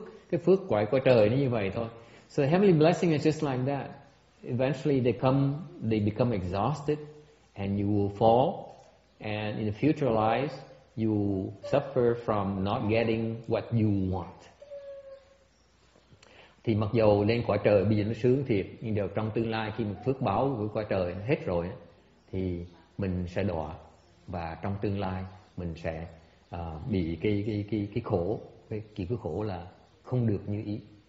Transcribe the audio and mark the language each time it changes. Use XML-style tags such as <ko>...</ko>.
<vi>Cái phước quậy của trời nó như vậy thôi.</vi> <en>So heavenly blessing is just like that. Eventually they become exhausted, and you will fall, and in the future lives you suffer from not getting what you want.</en> <vi>Thì mặc dù lên cõi trời bây giờ nó sướng thiệt, nhưng đều trong tương lai khi mà phước báo của cõi trời hết rồi thì mình sẽ đọa, và trong tương lai mình sẽ bị cái khổ, cái khổ là không được như ý.</vi>